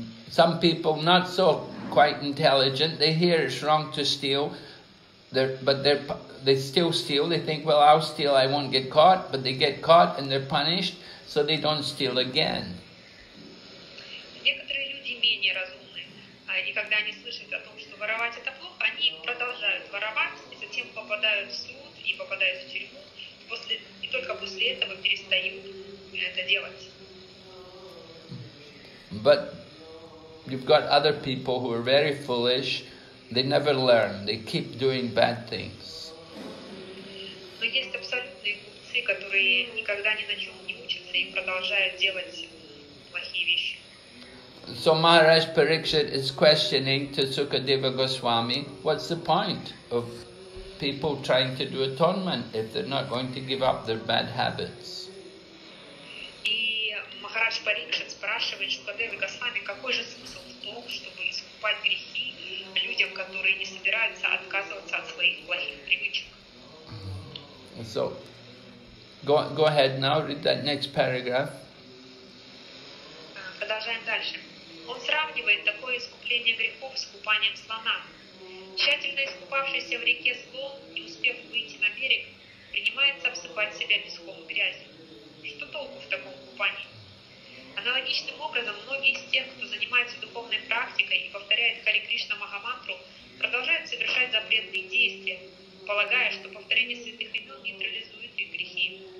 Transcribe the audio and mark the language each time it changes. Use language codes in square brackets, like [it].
[en] Some people not so quite intelligent, they hear it's wrong to steal, but they still steal, they think, well, I'll steal, I won't get caught, but they get caught and they're punished, so they don't steal again. [ru] Некоторые люди менее разумны, и когда они слышат о том, что воровать это плохо, они продолжают воровать, и затем попадают в суд и попадают в тюрьму, и только после этого перестают это делать. [en] But you've got other people who are very foolish, they never learn, they keep doing bad things. [ru] Но есть абсолютные глупцы, которые никогда ни на чем не учатся и продолжают делать плохие вещи. [en] So Maharaj Parikshit is questioning to Sukadeva Goswami, what's the point of people trying to do atonement if they're not going to give up their bad habits? [ru] Махарадж Парикшит спрашивает Шукадеву Госвами, какой же смысл в том, чтобы искупать грехи людям, которые не собираются отказываться от своих плохих привычек. [en] So, go ahead now, read that next paragraph. [ru] Продолжаем дальше. Он сравнивает такое искупление грехов с купанием слона. Тщательно искупавшийся в реке слон, не успев выйти на берег, принимается обсыпать себя песком и грязью. Что толку в таком купании? Аналогичным образом, многие из тех, кто занимается духовной практикой и повторяет Хари Кришна Махамантру, продолжают совершать запретные действия, полагая, что повторение святых имен нейтрализует их грехи.